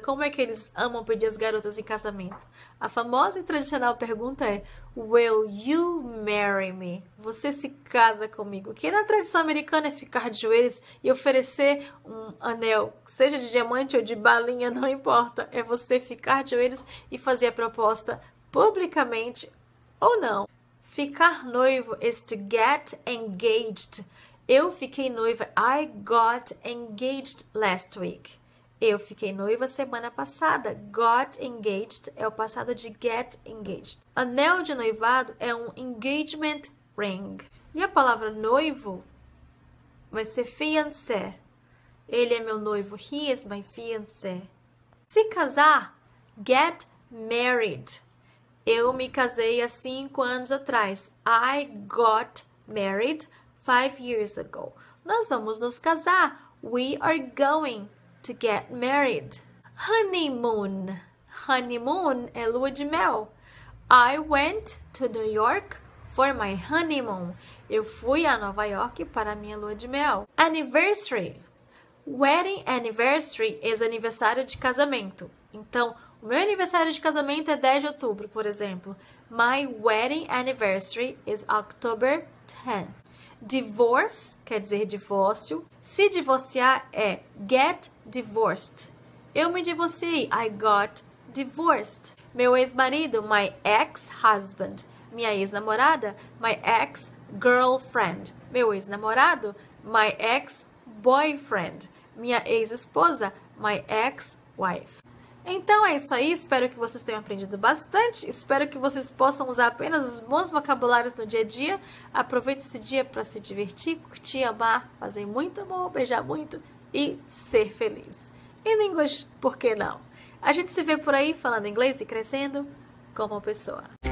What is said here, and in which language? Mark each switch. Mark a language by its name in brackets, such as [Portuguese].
[Portuguese] Como é que eles amam pedir as garotas em casamento? A famosa e tradicional pergunta é [English] Will you marry me? [Portuguese] Você se casa comigo? Que na tradição americana é ficar de joelhos e oferecer um anel, seja de diamante ou de balinha, não importa. É você ficar de joelhos e fazer a proposta publicamente ou não. Ficar noivo [English] is to get engaged. [Portuguese] Eu fiquei noiva, [English] I got engaged last week. [Portuguese] Eu fiquei noiva semana passada. Got engaged é o passado de get engaged. Anel de noivado é um engagement ring. E a palavra noivo vai ser fiancé. Ele é meu noivo, [English] he is my fiancé. [Portuguese] Se casar, [English] get married. [Portuguese] Eu me casei há 5 anos atrás. [English] I got married 5 years ago. [Portuguese] Nós vamos nos casar. [English] We are going to get married. Honeymoon. Honeymoon [Portuguese] é lua de mel. [English] I went to New York for my honeymoon. [Portuguese] Eu fui a Nova York para minha lua de mel. Anniversary. [English] Wedding anniversary is [Portuguese] aniversário de casamento. Então, o meu aniversário de casamento é 10 de outubro, por exemplo. [English] My wedding anniversary is October 10th. [Portuguese] Divorce quer dizer divórcio. Se divorciar é [English] get divorced. [Portuguese] Eu me divorciei. [English] I got divorced. [Portuguese] Meu ex-marido, [English] my ex-husband. [Portuguese] Minha ex-namorada, [English] my ex-girlfriend. [Portuguese] Meu ex-namorado, [English] my ex-boyfriend. [Portuguese] Minha ex-esposa, [English] my ex-wife. [Portuguese] Então é isso aí, espero que vocês tenham aprendido bastante, espero que vocês possam usar apenas os bons vocabulários no dia a dia. Aproveite esse dia para se divertir, curtir, amar, fazer muito amor, beijar muito e ser feliz. [English] In English, [Portuguese] por que não? A gente se vê por aí falando inglês e crescendo como pessoa.